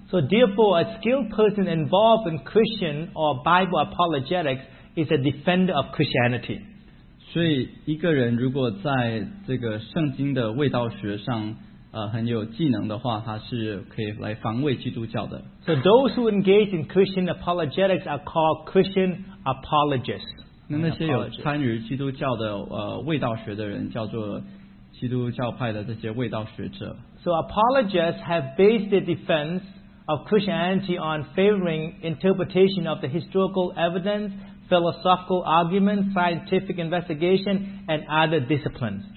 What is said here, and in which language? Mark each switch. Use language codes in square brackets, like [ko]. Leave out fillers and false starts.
[en] So therefore, a skilled person involved in Christian or Bible apologetics is a defender of Christianity. [zh] 所以一个人如果在这个圣经的味道学上, 很有技能的话, 他是可以来防卫基督教的。 [en] So those who engage in Christian apologetics are called Christian apologists. [zh] 那些有参与基督教的, 味道学的人, 叫做基督教派的这些味道学者。 [en] So apologists have based their defense of Christianity on favoring interpretation of the historical evidence, philosophical argument, scientific investigation, and other disciplines.